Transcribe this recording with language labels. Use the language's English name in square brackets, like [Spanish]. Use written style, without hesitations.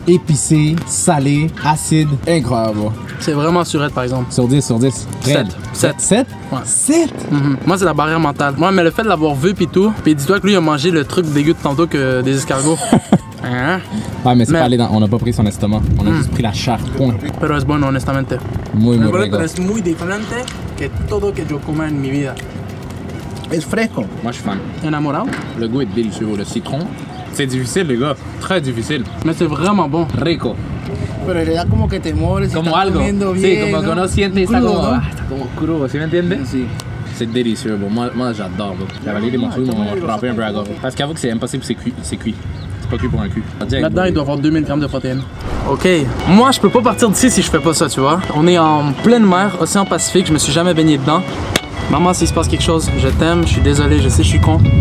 [French] Épicé, salé, acide, incroyable. C'est vraiment surette, par exemple. Sur 10, sur 10. 7. 7. 7? Ouais. 7? Mm-hmm. Moi c'est la barrière mentale. Ouais, mais le fait de l'avoir vu pis tout, pis dis-toi que lui il a mangé le truc dégueu de tantôt que des escargots. Ah, mais c'est pas allé dans. On a pas pris son estomac. On a juste pris la chair. Point. [Spanish] Pero es bueno, honestamente. Muy, muy rico. Pero es muy diferente que todo que yo comí en mi vida. Es fresco. [French] Moi, je suis fan. [Spanish] Enamorado. [French] Le goût est délicieux. Le citron. C'est difficile, les gars. Très difficile. Mais c'est vraiment bon. [Spanish] Rico. Pero le da como que temor. Como algo. Bien, sí, como que uno siente. Crudo, está como crudo. ¿Sí me entiendes? Sí. [French] C'est délicieux, bro. Moi j'adore, bro. J'avais les démontrer, mais on va frapper un peu à gauche. Parce qu'avoue que c'est impossible, c'est cuit. C'est pas cuit pour un cul. Là-dedans, il doit avoir 2000 grammes de protéines. Ok. Moi, je peux pas partir d'ici si je fais pas ça, tu vois. On est en pleine mer, océan Pacifique, je me suis jamais baigné dedans. Maman, s'il se passe quelque chose, je t'aime, je suis désolé, je sais, je suis con.